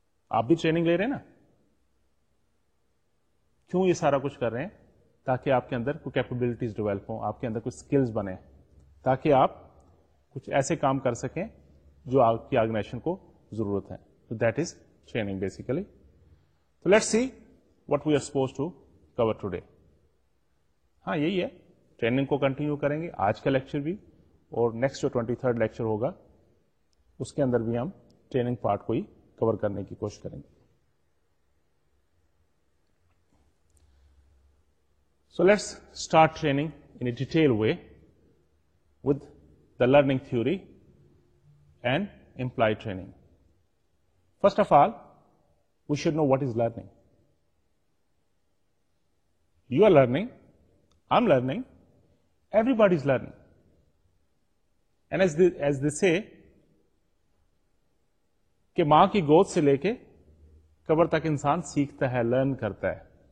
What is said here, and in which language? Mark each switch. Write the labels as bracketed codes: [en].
[ur] آپ بھی ٹریننگ لے رہے ہیں نا، کیوں یہ سارا کچھ کر رہے ہیں؟ تاکہ آپ کے اندر کوئی کیپبلٹیز ڈیولپ ہوں، آپ کے اندر کوئی اسکلز بنے، تاکہ آپ کچھ ایسے کام کر سکیں جو آپ کی آرگنائزیشن کو ضرورت ہے. [en] تو that is training basically. So let's see what we are supposed to cover today. [ur] ہاں یہی ہے، ٹریننگ کو کنٹینیو کریں گے آج کا لیکچر بھی، اور نیکسٹ جو 23rd لیکچر ہوگا اس کے اندر بھی ہم ٹریننگ پارٹ کو ہی کور کرنے کی کوشش کریں گے. [en] So let's start training in a detail way with the learning theory and employee training. First of all we should know what is learning. You are learning, I'm learning, everybody is learning. And as they say, [ur] کہ ماں کی گود سے لے کے قبر تک انسان سیکھتا ہے، لرن کرتا ہے.